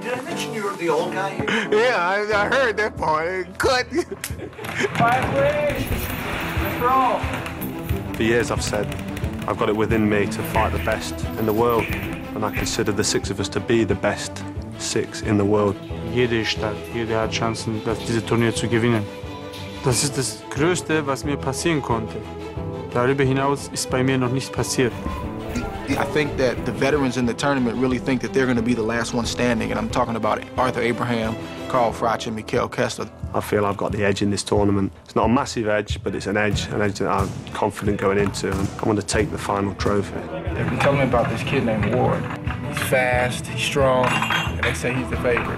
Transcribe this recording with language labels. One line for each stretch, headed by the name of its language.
English: Did I mention you were the old guy here? Yeah, I heard that part. Good. For years I've said I've got it within me to fight the best in the world, and I consider the six of us to be the best six in the world.
German: Jede Stadt, jede hat Chancen, dieses Turnier zu gewinnen. Das ist das Größte, was mir passieren konnte. Darüber hinaus ist bei mir noch nichts passiert.
English: I think that the veterans in the tournament really think that they're going to be the last one standing, and I'm talking about Arthur Abraham, Carl Froch, and Mikael Kessler. I feel I've got the edge in this tournament. It's not a massive edge, but it's an edge that I'm confident going into. I'm going to take the final trophy. They've been telling me about this kid named Ward. He's fast, he's strong, and they say he's the favorite.